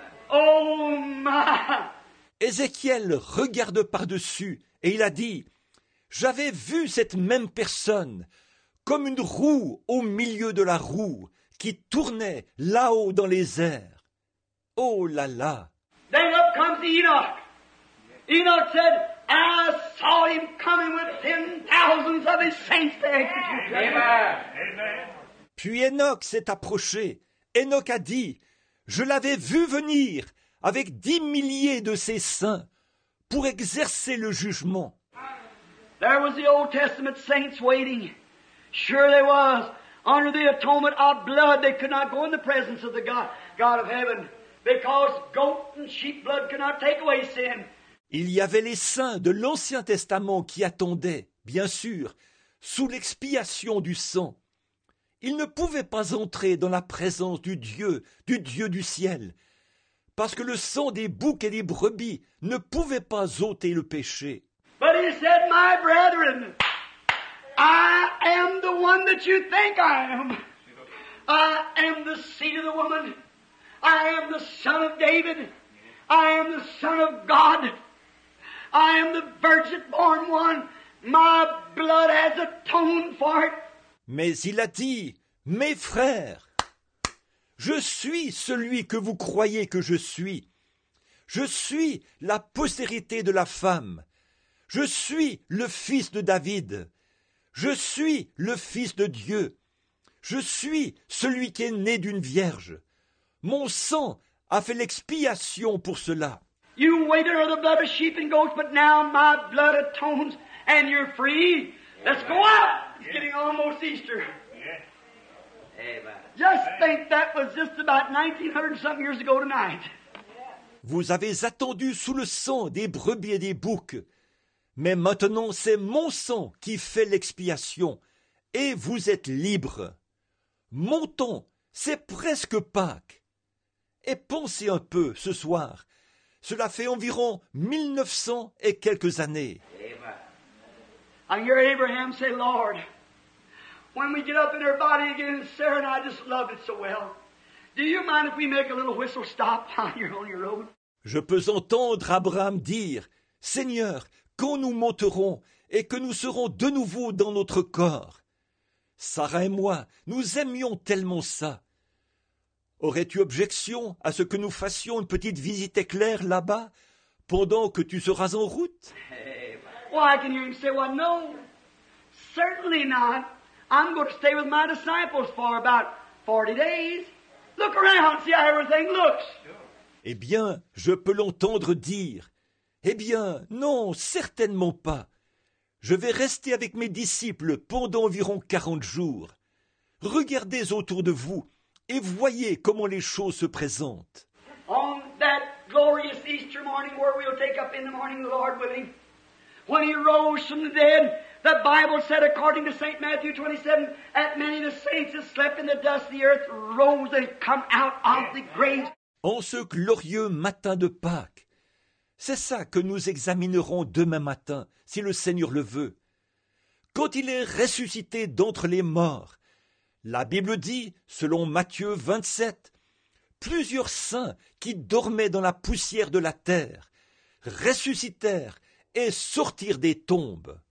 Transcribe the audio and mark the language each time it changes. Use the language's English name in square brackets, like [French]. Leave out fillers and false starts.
[English] Oh my! [French] Ézéchiel regarde par-dessus et il a dit, « J'avais vu cette même personne comme une roue au milieu de la roue qui tournait là-haut dans les airs. » Oh là là! [English] Then up comes Enoch. Enoch said, « I saw him coming with 10,000 of his saints there. » Amen! [French] Puis Enoch s'est approché. Enoch a dit, « Je l'avais vu venir avec 10 milliers de ses saints, pour exercer le jugement. » [English] There was the Old Testament saints waiting. Sure there was. Under the atonement of blood, they could not go in the presence of the God of heaven, because goat and sheep blood could not take away sin. [French] Il y avait les saints de l'Ancien Testament qui attendaient, bien sûr, sous l'expiation du sang. Ils ne pouvaient pas entrer dans la présence du Dieu du ciel, parce que le sang des boucs et des brebis ne pouvait pas ôter le péché. [English] But he said, my brethren, I am the one that you think I am. I am the seed of the woman. I am the son of David. I am the son of God. I am the virgin-born one. My blood has atoned for it. [French] Mais il a dit, mes frères, je suis celui que vous croyez que je suis. Je suis la postérité de la femme. Je suis le fils de David. Je suis le fils de Dieu. Je suis celui qui est né d'une vierge. Mon sang a fait l'expiation pour cela. [English] You waited on the blood of sheep and goats, but now my blood atones and you're free. Let's go out. It's getting almost Easter. Amen. Just think that was just about 1900 something years ago tonight. [French] Vous avez attendu sous le sang des brebis et des boucs, mais maintenant c'est mon sang qui fait l'expiation et vous êtes libre. Montons, C'est presque Pâques. Et pensez un peu ce soir. Cela fait environ 1900 et quelques années. [English] I hear Abraham say, Lord, when we get up in her body again, Sarah and I just loved it so well. Do you mind if we make a little whistle stop while you're on your road? [French] Je peux entendre Abraham dire, Seigneur, quand nous monterons et que nous serons de nouveau dans notre corps. Sarah et moi, nous aimions tellement ça. Aurais-tu objection à ce que nous fassions une petite visite éclair là-bas pendant que tu seras en route? [English] Well, I can hear him say, well, no, certainly not. I'm going to stay with my disciples for about 40 days. Look around, see how everything looks. [French] Eh bien, je peux l'entendre dire, eh bien, non, certainement pas. Je vais rester avec mes disciples pendant environ 40 jours. Regardez autour de vous et voyez comment les choses se présentent. [English] On that glorious Easter morning where we'll take up in the morning the Lord with him. When he rose from the dead, the Bible said, according to St. Matthew 27, that many of the saints that slept in the dust of the earth rose and come out of the grave. [French] En ce glorieux matin de Pâques, c'est ça que nous examinerons demain matin, si le Seigneur le veut. Quand il est ressuscité d'entre les morts, la Bible dit, selon Matthieu 27, plusieurs saints qui dormaient dans la poussière de la terre ressuscitèrent et sortir des tombes.